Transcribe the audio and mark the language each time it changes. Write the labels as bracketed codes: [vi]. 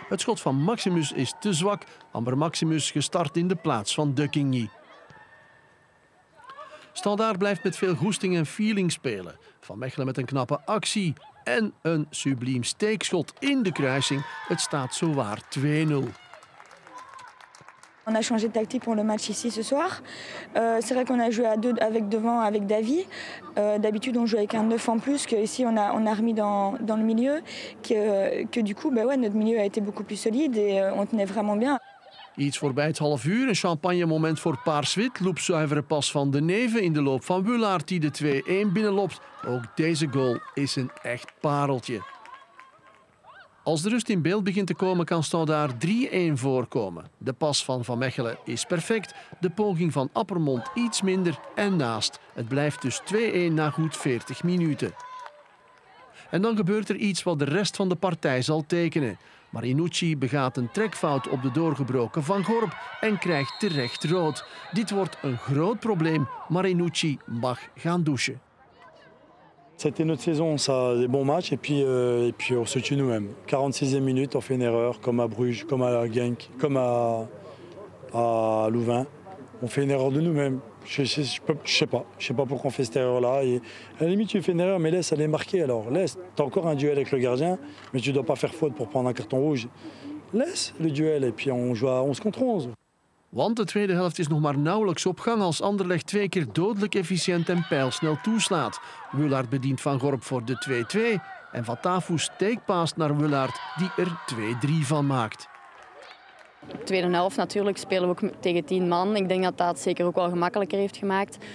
[nl] Het schot van Maximus is te zwak. Amber Maximus gestart in de plaats van Dukkingi. Standaard blijft met veel goesting en feeling spelen. Van Mechelen met een knappe actie en een subliem steekschot in de kruising. Het staat zowaar 2-0. [fr] On a changé de tactique pour le match ici ce soir. C'est vrai qu'on a joué à deux avec devant avec Davy. D'habitude on joue avec un 9 en plus que ici on a remis dans le milieu que du coup notre milieu a été beaucoup plus solide et on tenait vraiment bien. [nl] Iets voorbij het half uur, een champagne moment voor Paarswit. Loepzuivere pas van de Neven in de loop van Wulaert die de 2-1 binnenloopt. Ook deze goal is een echt pareltje. Als de rust in beeld begint te komen, kan Standaard 3-1 voorkomen. De pas van Mechelen is perfect, de poging van Appermond iets minder en naast. Het blijft dus 2-1 na goed 40 minuten. En dan gebeurt er iets wat de rest van de partij zal tekenen. Marinucci begaat een trekfout op de doorgebroken Van Gorp en krijgt terecht rood. Dit wordt een groot probleem, Marinucci mag gaan douchen. [fr] C'était notre saison, ça, des bons matchs et puis on se tue nous-mêmes. 46e minute, on fait une erreur, comme à Bruges, comme à Genk, comme à Louvain. On fait une erreur de nous-mêmes. Je sais pas pourquoi on fait cette erreur-là. Et à la limite, tu fais une erreur, mais laisse aller marquer alors. Laisse, t'as encore un duel avec le gardien, mais tu dois pas faire faute pour prendre un carton rouge. Laisse le duel et puis on joue à 11 contre 11. [nl] Want de tweede helft is nog maar nauwelijks op gang als Anderlecht 2 keer dodelijk efficiënt en pijlsnel toeslaat. Wulaert bedient Van Gorp voor de 2-2 en Vatafu steekpaast naar Wulaert die er 2-3 van maakt. Tweede helft natuurlijk spelen we ook tegen 10 man. Ik denk dat dat zeker ook wel gemakkelijker heeft gemaakt.